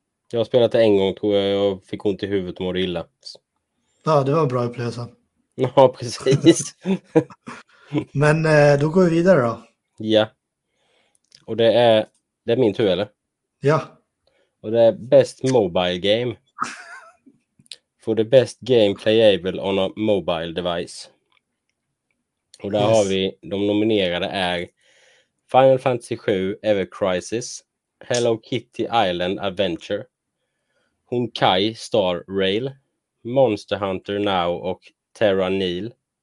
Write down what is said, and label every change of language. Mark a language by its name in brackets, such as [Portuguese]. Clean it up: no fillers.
[Swedish] Jag har spelat det en gång, tror jag. Jag fick ont i huvudet och mådde illa. Ja, det var en bra upplevelse. Ja, precis. Men då går vi vidare då. Ja. Och det är min tur, eller? Ja. Och det är [English] best mobile game. For the best game playable on a mobile device. [Swedish] Och där, yes, har vi, de nominerade är Final Fantasy 7 Ever Crisis, Hello Kitty Island Adventure, Honkai Star Rail, Monster Hunter Now och Terra Nil.